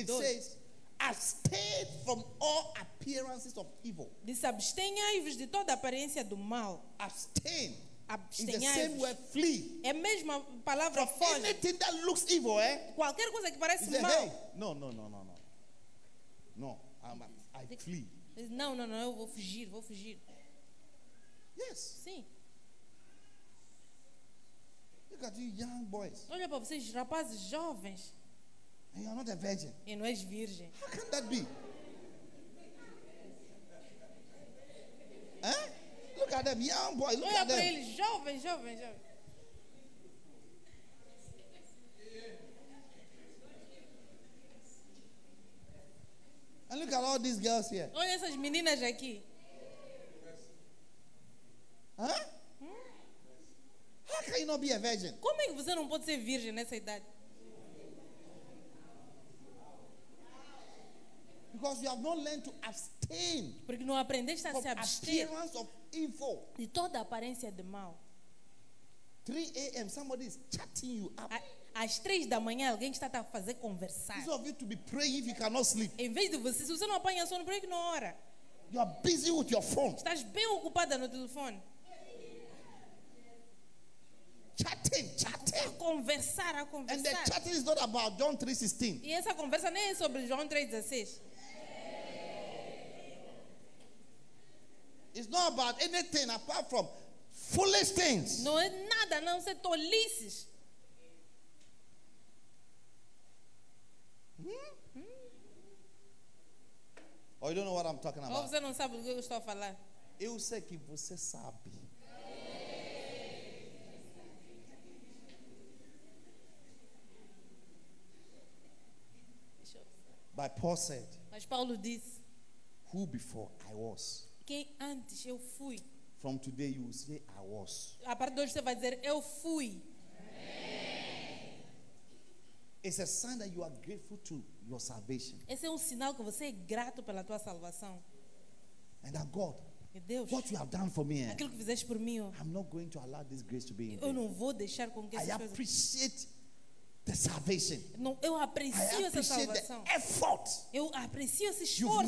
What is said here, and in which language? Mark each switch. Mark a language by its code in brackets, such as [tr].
[en] It says, abstain from all appearances of evil. [pt] Diz, abstenhai-vos de toda aparência do mal. [en] Abstain. [pt] Abstenhai-vos. [en] In the same word, flee. [pt] É a mesma palavra, foge. [en] From anything that looks evil, eh? [pt] Qualquer coisa que parece mal. [en] Hey. No. No, I flee. [pt] Não, eu vou fugir, [en] Yes. [pt] Sim. [en] Look at you, young boys. [pt] Olha para vocês, rapazes jovens. [en] And you are not a virgin. [pt] E não és virgem. [en] How can that be? Huh? Look at them, young boys. Look [pt] Olha [en] at them. [pt] Olha para eles, jovens. [en] And look at all these girls here. [pt] Olha essas meninas aqui. Huh? [en] How can you not be a virgin? [pt] Como é que você não pode ser virgem nessa idade? [en] Because you have not learned to abstain. [pt] Porque não aprendeste a se abster. [en] Appearance of evil. [pt] De toda aparência de mal. [en] 3 a.m. Somebody is chatting you up. [pt] Às 3 da manhã alguém está a fazer conversar. [en] Instead of you to be praying if you cannot sleep. [pt] Em vez de você, se você não apanha sono, por que não ora? [en] You are busy with your phone. [pt] Estás bem ocupada no telefone. [en] Chatting. [pt] A conversar. [en] And the chatting is not about John 3:16. [pt] E essa conversa nem é sobre João 3:16. [en] It's not about anything apart from foolish things. [pt] Não é nada, não são tolices. [en] Oh, you don't know what I'm talking about. [pt] Você não sabe do que eu estou a falar. Eu sei que você sabe. [en] But Paul said, [pt] mas Paulo disse, [en] who before I was. [pt] Quem antes eu fui. [en] From today you will say I was. [pt] A partir de hoje você vai dizer eu fui. [en] It's a sign that you are grateful to your salvation. [pt] Esse é sinal que você é grato pela tua salvação. [en] And that God, [pt] e Deus, [en] what you have done for me, [pt] aquilo que fizeste por mim, [en] I'm not going to allow this grace to be in [pt] vain. Eu não vou deixar com que [en] I appreciate the salvation. [pt] Não, eu aprecio essa salvação. [en] The effort. [pt] Eu aprecio esse esforço.